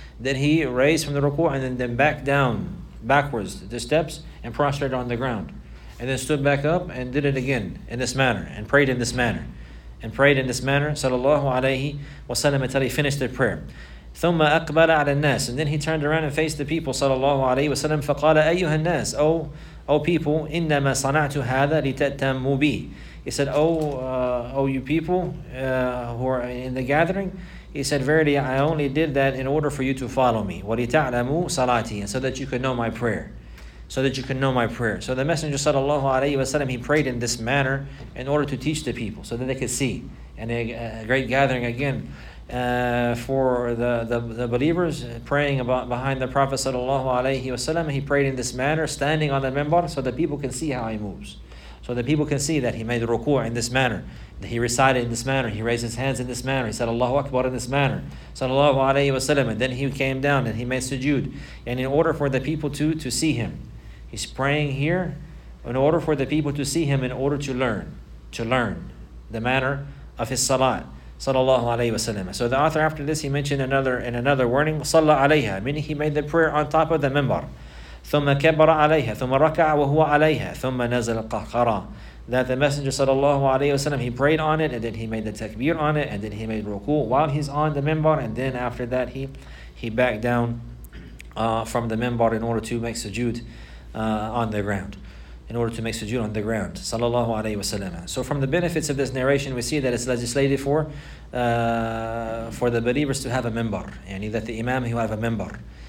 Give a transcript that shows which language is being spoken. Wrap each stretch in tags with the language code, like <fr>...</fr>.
<en>Then he raised from the ruku' and then back down, backwards the steps, and prostrated on the ground. And then stood back up and did it again in this manner, and prayed in this manner. And prayed in this manner, sallallahu alayhi wa sallam, until he finished the prayer.</en> <ar>ثُمَّ أَقْبَلَ عَلَى النَّاسِ.</ar> <en>And then he turned around and faced the people, sallallahu alayhi wa sallam,</en> <ar>فَقَالَ أَيُّهَا النَّاسِ.</ar> <en>O people,</en> <ar>إِنَّمَا صَنَعْتُ هَذَا لِتَتَّمُّ بِهِ.</ar> <en>He said, O you people who are in the gathering, he said, verily, I only did that in order for you to follow me.</en> <ar>وَلِتَعْلَمُوا صَلَاتِي.</ar> <en>And so that you could know my prayer. So the Messenger sallallahu alayhi wa sallam, he prayed in this manner in order to teach the people so that they could see. And a great gathering again for the believers praying about behind the Prophet sallallahu alayhi wa sallam. He prayed in this manner, standing on the minbar, so that people can see how he moves. So that people can see that he made ruku' in this manner, that he recited in this manner, he raised his hands in this manner, he said Allahu Akbar in this manner, sallallahu alayhi wa sallam. And then he came down and he made sujood. And in order for the people to see him, he's praying here in order for the people to see him, in order to learn the manner of his salat, sallallahu alayhi wa sallam. So the author after this, he mentioned another warning, salla alayha, meaning he made the prayer on top of the minbar.</en> <ar>ثم كبر عليها ثم ركع وهو عليها ثم نزل القهقرة.</ar> <en>That the Messenger sallallahu alayhi wa sallam, he prayed on it, and then he made the takbir on it, and then he made ruku while he's on the minbar, and then after that he backed down from the minbar in order to make sujood on the ground. Sallallahu alayhi wa sallam. So from the benefits of this narration, we see that it's legislated for the believers to have a minbar, yani that the imam, he will have a minbar.</en>